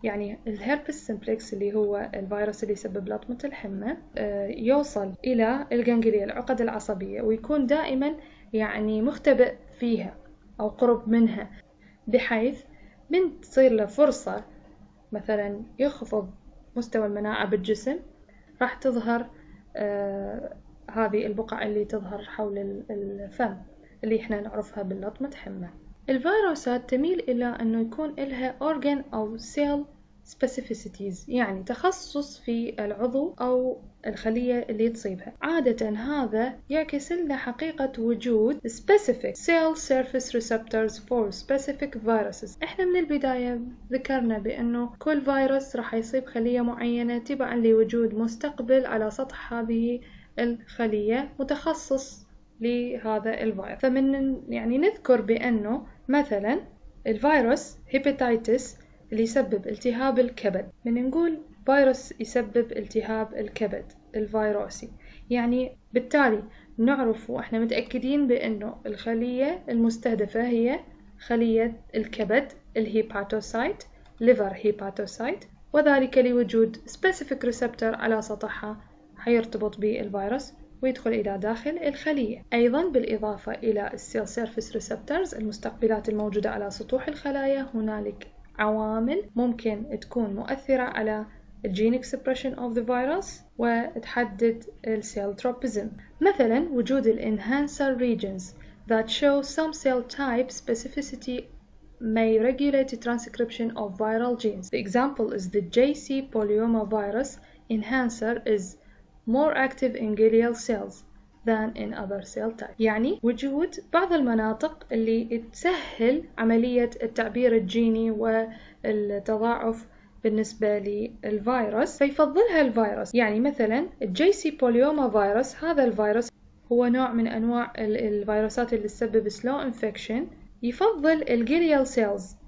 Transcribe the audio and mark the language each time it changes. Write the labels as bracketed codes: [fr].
[ar] يعني الهربس سيمبليكس اللي هو الفيروس اللي يسبب لطمة الحمى يوصل إلى الجانجليا العقد العصبية ويكون دائما يعني مختبئ فيها أو قرب منها، بحيث من تصير له فرصة مثلا يخفض مستوى المناعة بالجسم راح تظهر هذه البقع اللي تظهر حول الفم اللي احنا نعرفها باللطمة حمى. الفيروسات تميل الى انه يكون لها organ او cell specificities، يعني تخصص في العضو او الخلية اللي تصيبها. عادة هذا يعكس لنا حقيقة وجود [en] specific cell surface receptors for specific viruses. [ar] احنا من البداية ذكرنا بانه كل فيروس راح يصيب خلية معينة تبعا لوجود مستقبل على سطح هذه الخلية متخصص لهذا الفيروس. فمن يعني نذكر بأنه مثلا الفيروس هيباتيتس اللي يسبب التهاب الكبد، من نقول فيروس يسبب التهاب الكبد الفيروسي، يعني بالتالي نعرف وإحنا متأكدين بأنه الخلية المستهدفة هي خلية الكبد الهيباتوسايت ليفر هيباتوسايت، وذلك لوجود سبيسيفيك ريسبتر على سطحها حيرتبط بالفيروس ويدخل إلى داخل الخلية. أيضاً بالإضافة إلى السيل سيرفيس ريسبترز المستقبلات الموجودة على سطوح الخلايا، هنالك عوامل ممكن تكون مؤثرة على الجين إكسبريشن أوف ذا فيروس وتحدد السيل تروبيزم. مثلاً وجود الإنهانسر ريجنز [en] that show some cell type specificity may regulate transcription of viral genes. The example is the JC polyoma virus enhancer is more active in glial cells than in other cell types. [ar] يعني وجود بعض المناطق اللي تسهل عملية التعبير الجيني والتضاعف بالنسبة للفيروس فيفضلها الفيروس. يعني مثلا الجي سي بوليوما فيروس، هذا الفيروس هو نوع من أنواع الفيروسات اللي تسبب slow infection، يفضل الجليال سيلز